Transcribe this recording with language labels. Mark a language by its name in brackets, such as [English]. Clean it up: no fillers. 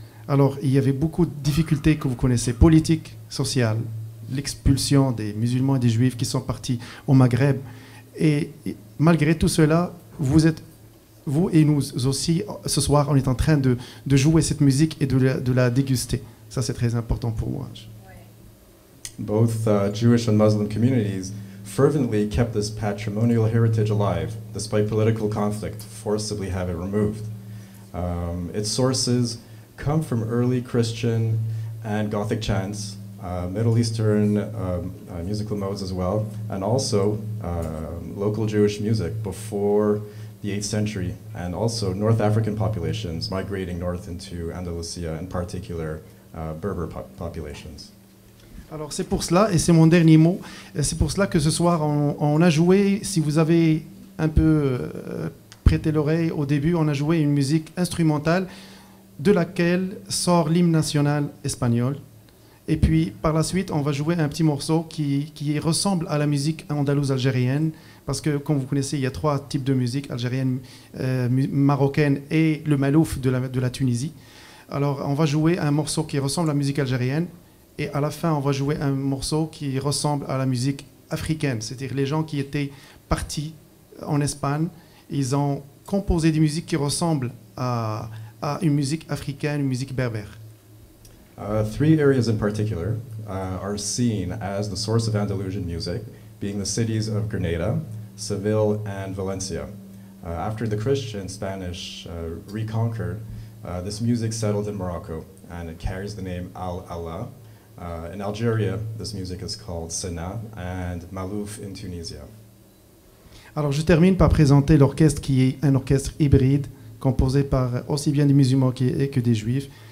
[French] Alors, il y avait beaucoup de difficultés que vous connaissez, politiques, sociales, l'expulsion des musulmans et des juifs qui sont partis au Maghreb. Et malgré tout cela, vous et nous aussi, ce soir, on est en train de jouer cette musique et de la déguster. Ça, c'est très important pour moi. [English] Both Jewish and Muslim communities fervently kept this patrimonial heritage alive, despite political conflict, forcibly have it removed. Its sources come from early Christian and Gothic chants, Middle Eastern musical modes as well, and also local Jewish music before the 8th century, and also North African populations migrating north into Andalusia, in particular Berber populations. [French] Alors c'est pour cela, et c'est mon dernier mot, c'est pour cela que ce soir on a joué, si vous avez un peu prêté l'oreille au début, on a joué une musique instrumentale de laquelle sort l'hymne national espagnol. Et puis par la suite, on va jouer un petit morceau qui ressemble à la musique andalouse algérienne. Parce que, comme vous connaissez, il y a trois types de musique, algérienne, marocaine et le malouf de la Tunisie. Alors, on va jouer un morceau qui ressemble à la musique algérienne. Et à la fin, on va jouer un morceau qui ressemble à la musique africaine. C'est-à-dire les gens qui étaient partis en Espagne, ils ont composé des musiques qui ressemblent à une musique africaine, une musique berbère. [English] Three areas in particular, are seen as the source of Andalusian music, being the cities of Granada, Seville, and Valencia. After the Christian Spanish reconquered, this music settled in Morocco, and it carries the name Al-Ala. In Algeria, this music is called Sena, and Malouf in Tunisia. [French] Alors, je termine par présenter l'orchestre qui est un orchestre hybride, composé par aussi bien des musulmans que des juifs.